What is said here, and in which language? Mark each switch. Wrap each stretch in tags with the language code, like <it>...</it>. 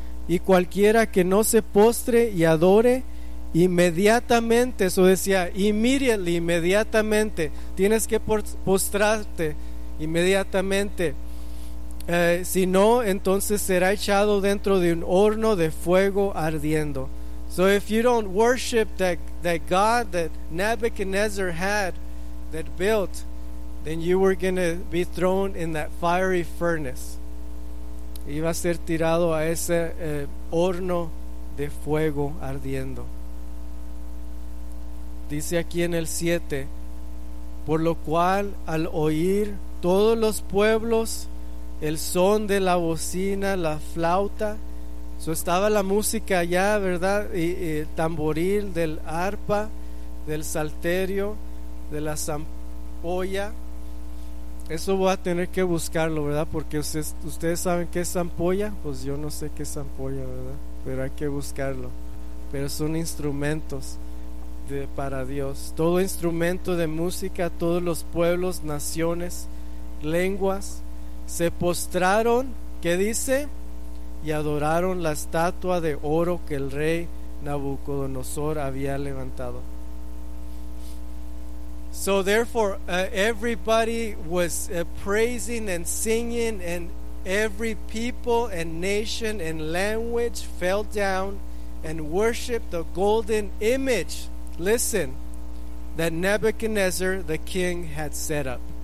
<es>Y cualquiera que no se postre y adore inmediatamente, eso decía, immediately, inmediatamente, tienes que postrarte inmediatamente. Si no, entonces será echado dentro de un horno de fuego ardiendo.</es> <en>So if you don't worship that God that Nebuchadnezzar had, that built, then you were going to be thrown in that fiery furnace.</en> <es>Iba a ser tirado a ese horno de fuego ardiendo. Dice aquí en el 7, por lo cual al oír todos los pueblos el son de la bocina, la flauta, so estaba la música allá, ¿verdad? Y tamboril, del arpa, del salterio, de la zampolla. Eso voy a tener que buscarlo, ¿verdad? Porque ustedes saben qué es zampolla, pues yo no sé qué es zampolla, ¿verdad? Pero hay que buscarlo. Pero son instrumentos para Dios. Todo instrumento de música, todos los pueblos, naciones, lenguas, se postraron, ¿qué dice? Y adoraron la estatua de oro que el rey Nabucodonosor había levantado.</es> <en>So therefore, everybody was praising and singing, and every people and nation and language fell down and worshiped the golden image, listen, that Nebuchadnezzar the king had set up.</en>